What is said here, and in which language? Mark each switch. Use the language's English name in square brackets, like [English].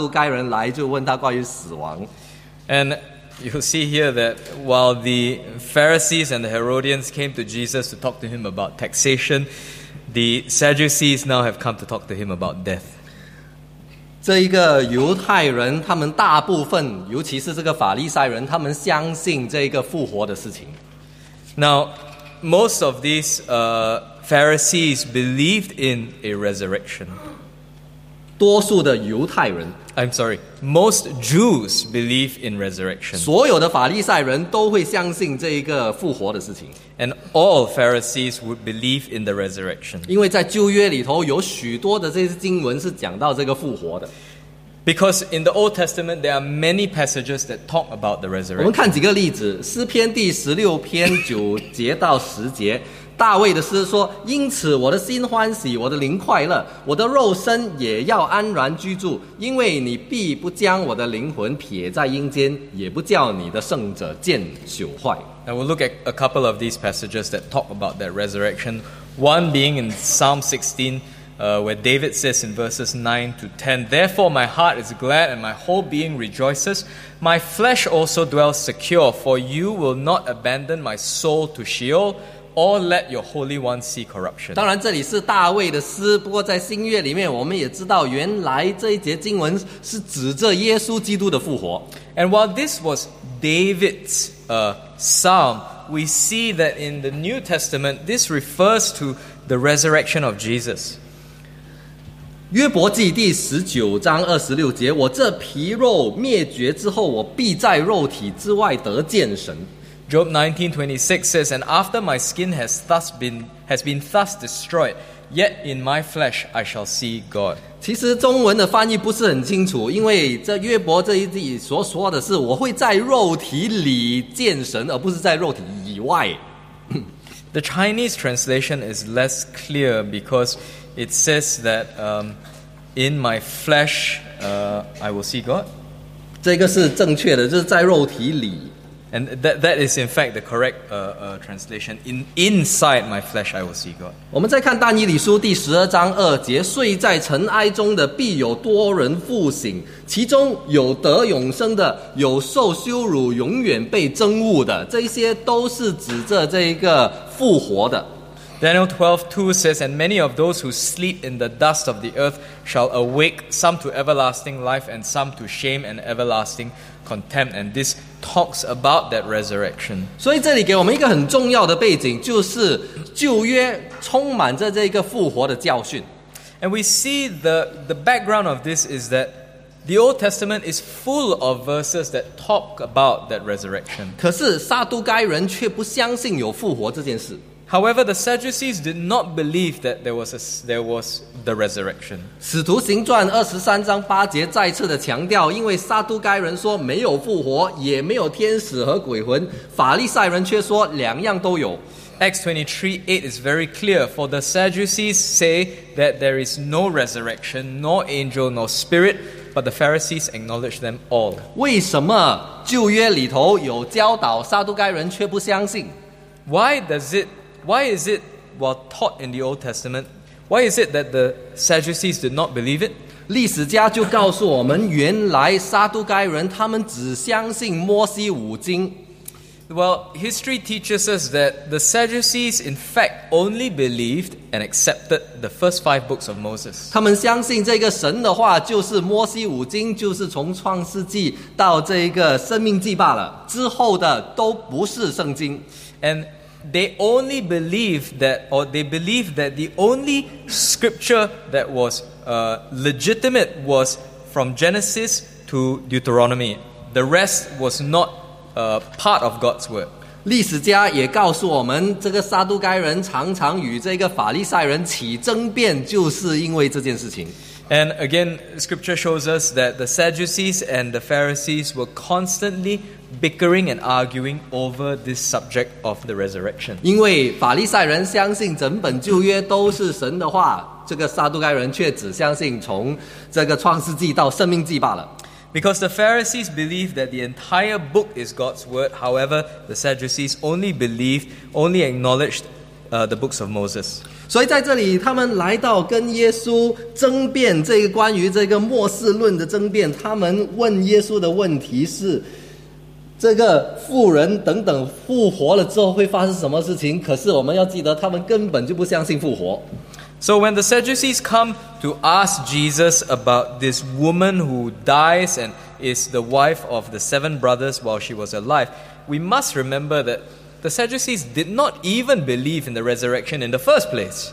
[Chinese] 所以这个法利赛人来问耶稣关于税，然后这些在这个撒都该人来就问他关于死亡。 [English] And you'll see here that while the Pharisees and the Herodians came to Jesus to talk to him about taxation, the Sadducees now have come to talk to him about death. [Chinese] 这一个犹太人，他们大部分，尤其是这个法利赛人，他们相信这个复活的事情。 [English] Now, most of these Pharisees believed in a resurrection. [Chinese] 多数的犹太人， [English] most Jews believe in resurrection. [Chinese] 所有的法利赛人都会相信这一个复活的事情。 [English] And all Pharisees would believe in the resurrection. [Chinese] 因为在旧约里头有许多的这些经文是讲到这个复活的。 [English] Because in the Old Testament, there are many passages that talk about the resurrection. [Chinese] 我们看几个例子，诗篇第十六篇九节到十节，大卫的诗说：“因此我的心欢喜，我的灵快乐，我的肉身也要安然居住，因为你必不将我的灵魂撇在阴间，也不叫你的圣者见朽坏。” [English] Now we'll look at a couple of these passages that talk about that resurrection. One being in Psalm 16. Where David says in verses 9 to 10, "Therefore my heart is glad and my whole being rejoices. My flesh also dwells secure, for you will not abandon my soul to Sheol, or let your Holy One see corruption. [Chinese] 当然这里是大卫的诗，不过在新约里面我们也知道，原来这一节经文是指着耶稣基督的复活。 [English] And while this was David's psalm, we see that in the New Testament, this refers to the resurrection of Jesus. [Chinese] 约伯记第十九章二十六节，我这皮肉灭绝之后，我必在肉体之外得见神。 [English] Job 19:26 says, "And after my skin has been thus destroyed, yet in my flesh I shall see God." [Chinese] 其实中文的翻译不是很清楚，因为这约伯这一句所说的是我会在肉体里见神，而不是在肉体以外。 [English] The Chinese translation is less clear because it says that in my flesh I will see God. [Chinese] 这个是正确的，就是在肉体里。 [English] And that is in fact the correct translation. Inside my flesh, I will see God. [Chinese] 我们再看但以理书第十二章二节，睡在尘埃中的必有多人复醒，其中有得永生的，有受羞辱永远被憎恶的，这些都是指着这一个复活的。 [English] Daniel 12:2 says, "And many of those who sleep in the dust of the earth shall awake, some to everlasting life, and some to shame and everlasting contempt." And this talks about that resurrection. [Chinese] 所以这里给我们一个很重要的背景，就是旧约充满着这个复活的教训。 [English] And we see the background of this is that the Old Testament is full of verses that talk about that resurrection. [Chinese] 可是撒都该人却不相信有复活这件事。 [English] However, the Sadducees did not believe that there was the resurrection. [Chinese] 使徒行传二十三章八节再次的强调，因为撒都该人说没有复活，也没有天使和鬼魂，法利赛人却说两样都有。 [English] Acts 23:8 is very clear. For the Sadducees say that there is no resurrection, nor angel, nor spirit, but the Pharisees acknowledge them all. [Chinese] 为什么旧约里头有教导，撒都该人却不相信？ [English] Why is it, while taught in the Old Testament, why is it that the Sadducees did not believe it? [Chinese] 历史家就告诉我们，原来撒都该人他们只相信摩西五经。 [English] Well, history teaches us that the Sadducees, in fact, only believed and accepted the first five books of Moses. [Chinese] 他们相信这个神的话就是摩西五经，就是从创世纪到这个生命记罢了，之后的都不是圣经。 [English] They only believe that, or they believe that the only scripture that was legitimate was from Genesis to Deuteronomy. The rest was not part of God's word. [Chinese] 历史家也告诉我们，这个撒都该人常常与这个法利赛人起争辩，就是因为这件事情。 [English] And again, scripture shows us that the Sadducees and the Pharisees were constantly bickering and arguing over this subject of the resurrection. [Chinese] 因为法利赛人相信整本旧约都是神的话，这个撒都该人却只相信从这个创世纪到生命记罢了。 [English] Because the Pharisees believe that the entire book is God's word, however, the Sadducees only acknowledged the books of Moses. [Chinese] 所以在这里他们来到跟耶稣争辩这个关于这个末世论的争辩，他们问耶稣的问题是这个妇人等等复活了之后会发生什么事情，可是我们要记得他们根本就不相信复活。 [English] So when the Sadducees come to ask Jesus about this woman who dies and is the wife of the seven brothers while she was alive, we must remember thatThe Sadducees did not even believe in the resurrection in the first place.